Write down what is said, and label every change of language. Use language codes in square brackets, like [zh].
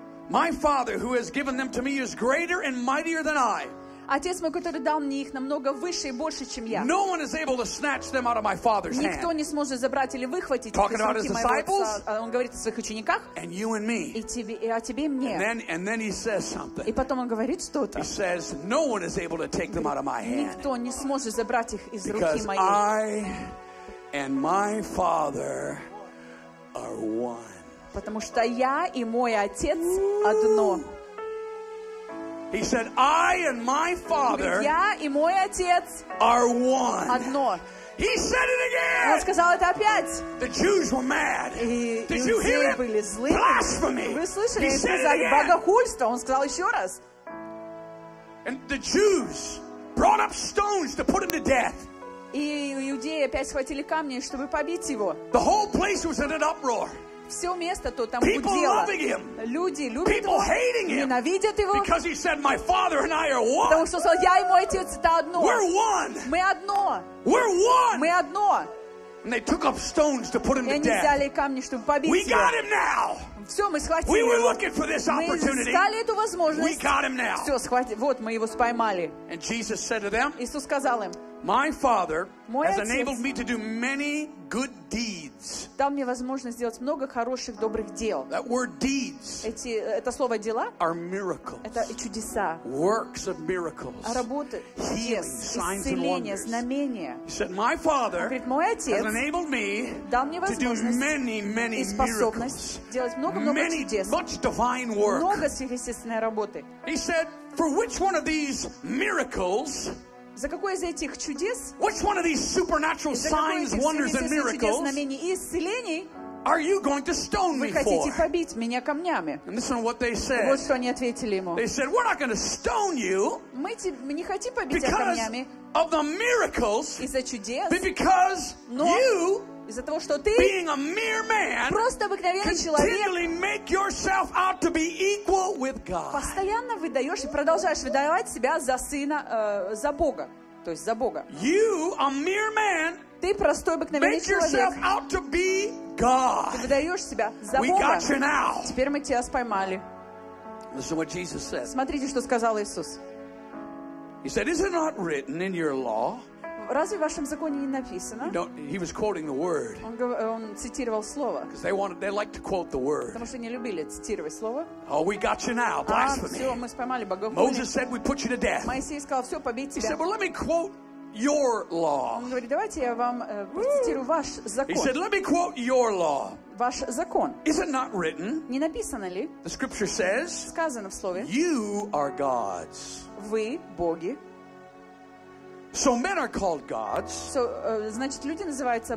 [en] My Father who has given them to me is greater and mightier than I. [ru] Отец мой, который дал мне их, намного выше и больше, чем я. [en] No one is able to snatch them out of my Father's hand. [ru] Никто не сможет забрать или выхватить их из руки моего Отца. [en] disciples. [ru] Он говорит о своих учениках. [en] And you and me. [ru] И тебе, и о тебе и мне. [en] And then he says something. [ru] И потом он говорит что-то. [en] He says, no one is able to take them out of my hand. [ru] Никто не сможет забрать их из руки моей. [en] Because I and my Father are one. [ru] Потому что я и мой Отец одно. [en] He said, "I and my Father are one." [ru] Одно. [en] He said it again. [ru] Он сказал это опять. [en] The Jews were mad. Did you hear him? [ru] Были злы. [en] Blasphemy. [ru] Вы слышали? [en] He said it again. [ru] Богохульство. Он сказал еще раз. [en] And the Jews brought up stones to put him to death. [ru] И иудеи опять схватили камни, чтобы побить его. [en] The whole place was in an uproar. [ru] Все место то там гудело. Люди любят его, ненавидят его. Said, потому что сказал, я и мой отец это одно. Мы одно. Мы одно. [en] And they took up stones to put him to death. [ru] И они взяли камни, чтобы побить [en] его. We got him now. [ru] Все, мы схватили [en] его. We were looking for this opportunity. [ru] Мы искали эту возможность. [en] We got him now. [ru] Все, схватили. Вот, мы его споймали. [en] And Jesus said to them, [ru] Иисус сказал им, [en] My Father has enabled me to do many good deeds. [ru] Дал мне возможность сделать много хороших добрых дел. [en] That word deeds. [ru] Это слово дела. [en] Are miracles. [ru] Это чудеса. [en] Works of miracles. [ru] Работы. [en] Healings, signs and wonders. [ru] Знамения. [en] He said, My Father [ru] говорит, мой отец [en] has enabled me [ru] дал мне возможность [en] to do many, many [ru] и способность [en] miracles. [ru] Делать много чудес. [en] Much divine work. [ru] Много сверхъестественной работы. [en] He said, For which one of these miracles? [ru] За какой из этих чудес? [en] Which one of these supernatural signs, wonders, and miracles? [ru] Знамений и исцелений? [en] Are you going to stone me for? [ru] Вы хотите побить меня камнями? [en] And listen to what they said. [ru] Вот что они ответили ему. [en] They said, "We're not going to stone you." [ru] Мы тебя не хотим побить камнями. [en] Because of the miracles. [ru] Из-за чудес. [en] But because you. [ru] Из-за того, что ты [en] being a mere man, [ru] просто обыкновенный человек постоянно выдаешь и продолжаешь выдавать себя за сына, за Бога. То есть за Бога. [en] You, a mere man, [ru] ты простой обыкновенный человек. Ты выдаешь себя за [en] We [ru] Бога. [en] Got you now. [ru] Теперь мы тебя споймали. [en] Listen what Jesus said. [ru] Смотрите, что сказал Иисус. [en] He said, Is it not written in your law? [ru] Разве в вашем законе не написано? [en] He was quoting the word. [ru] Он цитировал слово. [en] Because they like to quote the word. [ru] Потому что они любили цитировать слово. [en] Oh, we got you now, blasphemy. [ru] Все, мы споймали богохульство. [en] Moses said we put you to death. [ru] Моисей сказал, все, побить тебя. [en] He said, well, let me quote your law. [ru] Он говорит, давайте я вам процитирую ваш закон. [en] He said, let me quote your law. [ru] Ваш закон. [en] Is it not written? [ru] Не написано ли? [en] The scripture says. [ru] Сказано в слове. [en] You are gods. [ru] Вы боги. [en] So men are called gods. [ru] So, значит, люди называются